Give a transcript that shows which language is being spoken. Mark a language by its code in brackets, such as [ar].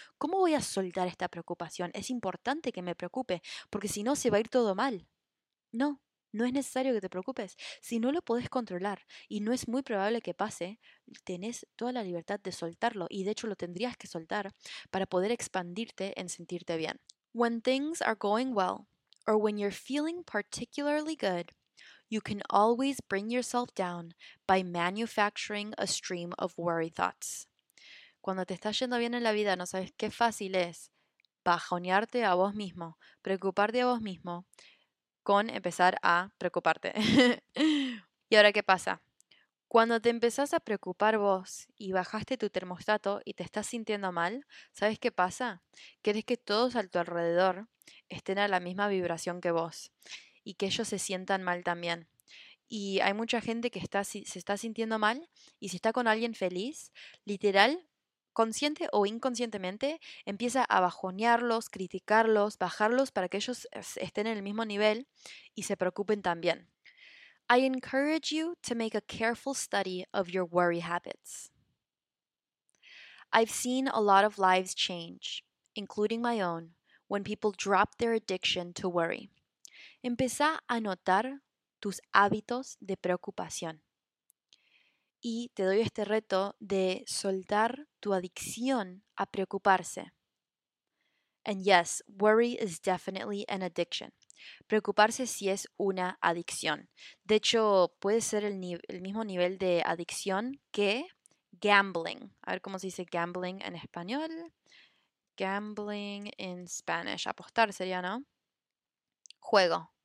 [es] ¿Cómo voy a soltar esta preocupación? Es importante que me preocupe, porque si no se va a ir todo mal. No, no es necesario que te preocupes. Si no lo podés controlar y no es muy probable que pase, tenés toda la libertad de soltarlo y de hecho lo tendrías que soltar para poder expandirte en sentirte bien. [en] When things are going well, or when you're feeling particularly good, you can always bring yourself down by manufacturing a stream of worry thoughts. [es] Cuando te estás yendo bien en la vida, no sabes qué fácil es bajonearte a vos mismo, preocuparte a vos mismo con empezar a preocuparte. ¿Y ahora qué pasa? Cuando te empezás a preocupar vos y bajaste tu termostato y te estás sintiendo mal, ¿sabes qué pasa? Querés que todos a tu alrededor estén a la misma vibración que vos y que ellos se sientan mal también. Y hay mucha gente que se está sintiendo mal y si está con alguien feliz, literal, consciente o inconscientemente, empieza a bajonearlos, criticarlos, bajarlos para que ellos estén en el mismo nivel y se preocupen también. [en] I encourage you to make a careful study of your worry habits. I've seen a lot of lives change, including my own, when people drop their addiction to worry. [es] Empezá a notar tus hábitos de preocupación. Y te doy este reto de soltar tu adicción a preocuparse. [en] And yes, worry is definitely an addiction. [es] Preocuparse sí es una adicción. De hecho, puede ser el mismo nivel de adicción que gambling. A ver cómo se dice gambling en español. [en] Gambling in Spanish. [es] Apostar sería, ¿no? Juego.